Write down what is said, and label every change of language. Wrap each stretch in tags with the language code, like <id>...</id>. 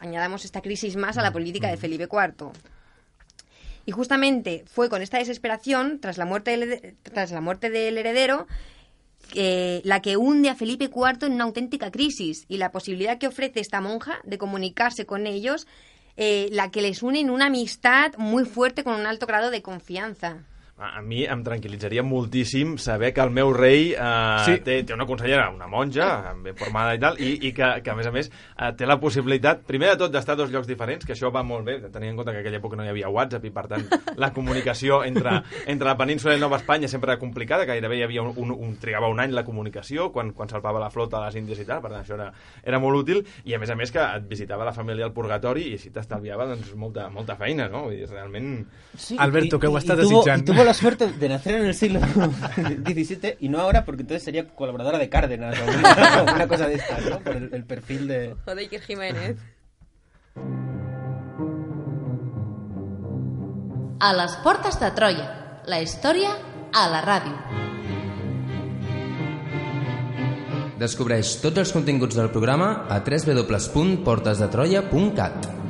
<es>Añadamos esta crisis más a la política de Felipe IV. Y justamente fue con esta desesperación, tras la muerte del heredero, la que hunde a Felipe IV en una auténtica crisis. Y la posibilidad que ofrece esta monja de comunicarse con ellos, la que les une en una amistad muy fuerte con un alto grado de confianza.</es> <ca>A mi em tranquil·litzaria moltíssim saber que el meu rei té una consellera, una monja, ben formada i tal, i que a més, té la possibilitat, primer de tot, d'estar a dos llocs diferents, que això va molt bé, tenint en compte que en aquella època no hi havia WhatsApp i, per tant, la comunicació entre la península i Nova Espanya sempre era complicada, gairebé hi havia un trigava un any la comunicació quan salpava la flota a les Índies i tal, per tant, això era molt útil, i a més que et visitava la família al purgatori i així t'estalviava doncs, molta feina, no? Vull dir, realment... Sí, Alberto, que ho estàs desitjant.</ca> <es>Tuvo la suerte de nacer en el siglo XVII y no ahora, porque entonces sería colaboradora de Cárdenas o una cosa de estas, ¿no? Por el perfil de... O de Iker Jiménez. A las puertas de Troya, la historia a la radio.</es> <ca>Descobreix tots els continguts del programa a www.portesdetroya.cat.</ca>